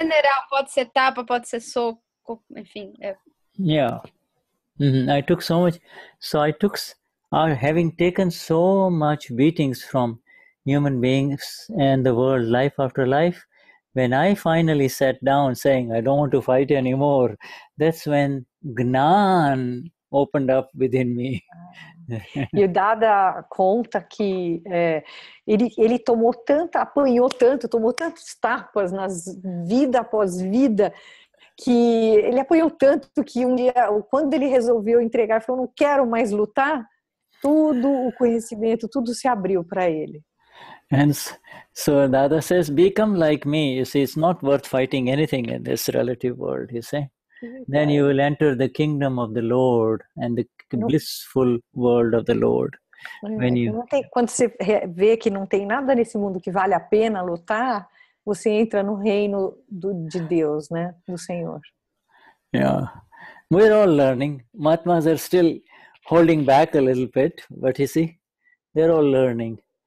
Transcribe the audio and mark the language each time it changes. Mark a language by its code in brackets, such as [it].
[pt] Em geral, pode ser tapa, pode ser soco, enfim. Yeah. Mm-hmm. [en] Having taken so much beatings from human beings and the world, life after life, when I finally sat down saying, I don't want to fight anymore, that's when Gnan opened up within me. [pt] E o Dada conta que ele tomou tanta, apanhou tanto, tomou tantas tapas nas vida após vida, que ele apanhou tanto que um dia, quando ele resolveu entregar, falou, não quero mais lutar. Tudo o conhecimento, tudo se abriu para ele. [en] And so Dada says, become like me. You see, it's not worth fighting anything in this relative world, you see. Then you will enter the kingdom of the Lord and the blissful world of the Lord. When you... [pt] Quando você vê que não tem nada nesse mundo que vale a pena lutar, você entra no reino de Deus, né? Do Senhor. [en] Yeah. We're all learning. Mahatmas are still holding back a little bit, but you see, they're all learning.